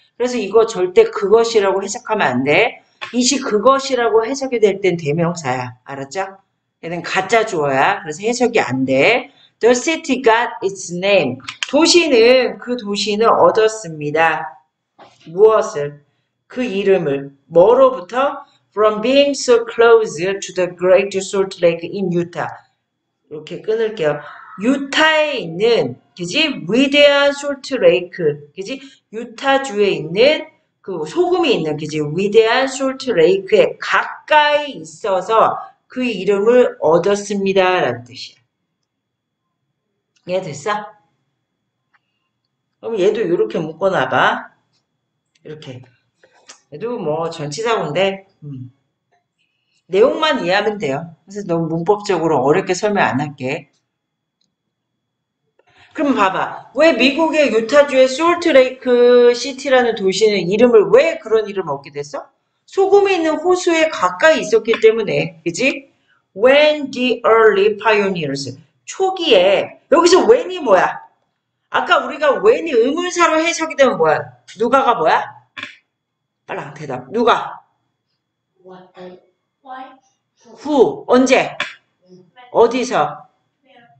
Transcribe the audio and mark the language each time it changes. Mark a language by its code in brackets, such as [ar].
[ko] 그래서 이거 절대 그것이라고 해석하면 안 돼. is 그것이라고 해석이 될땐 대명사야. 알았죠? 얘는 가짜 주어야. 그래서 해석이 안 돼. [en] The city got its name. [ko] 도시는, 그 도시는 얻었습니다. 무엇을? 그 이름을. 뭐로부터? [en] From being so close to the Great Salt Lake in Utah. [ko] 이렇게 끊을게요. 유타에 있는, 그지? 위대한 Salt Lake. 그지? 유타주에 있는 그 소금이 있는, 그지? 위대한 Salt Lake에 가까이 있어서 그 이름을 얻었습니다라는 뜻이야. 이해 됐어? 그럼 얘도 이렇게 묶어놔봐. 이렇게. 얘도 뭐 전치사고인데, 내용만 이해하면 돼요. 그래서 너무 문법적으로 어렵게 설명 안 할게. 그럼 봐봐. 왜 미국의 유타주의 솔트레이크 시티라는 도시는 이름을 왜 그런 이름을 얻게 됐어? 소금이 있는 호수에 가까이 있었기 때문에, 그지? [en] When the early pioneers. [ko] 초기에, 여기서 when이 뭐야? 아까 우리가 when이 의문사로 해석이 되면 뭐야? 누가가 뭐야? 빨랑 대답. 누가? [en] Who? 언제? When? [ko] 어디서? [en] Where?